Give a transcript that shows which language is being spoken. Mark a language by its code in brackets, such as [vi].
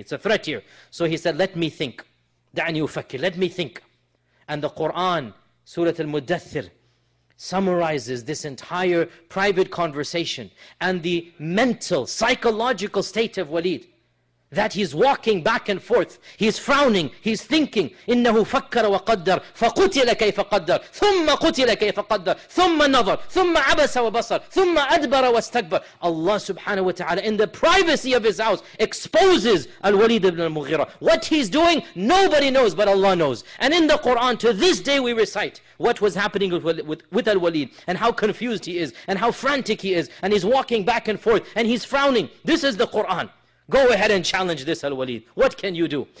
[en] It's a threat here. So he said, let me think. [ar] دعني أفكر. [en] Let me think. And the Quran, Surah Al-Mudathir, summarizes this entire private conversation and the mental, psychological state of Walid. That he's walking back and forth. He's frowning. He's thinking. [ar] إِنَّهُ فَكَّرَ وَقَدَّرَ فَقُتِلَ كَيْفَ قَدَّرَ ثُمَّ قُتِلَ كَيْفَ قَدَّرَ ثُمَّ نَظَرَ ثُمَّ عَبَسَ وَبَصَرَ ثُمَّ أَدْبَرَ وَاسْتَكْبَرَ [en] Allah subhanahu wa ta'ala in the privacy of his house exposes Al-Walid ibn al-Mughira. What he's doing, nobody knows but Allah knows. And in the Quran, to this day we recite what was happening with Al-Walid and how confused he is and how frantic he is. And he's walking back and forth and he's frowning. This is the Quran. Go ahead and challenge this Al-Walid. What can you do?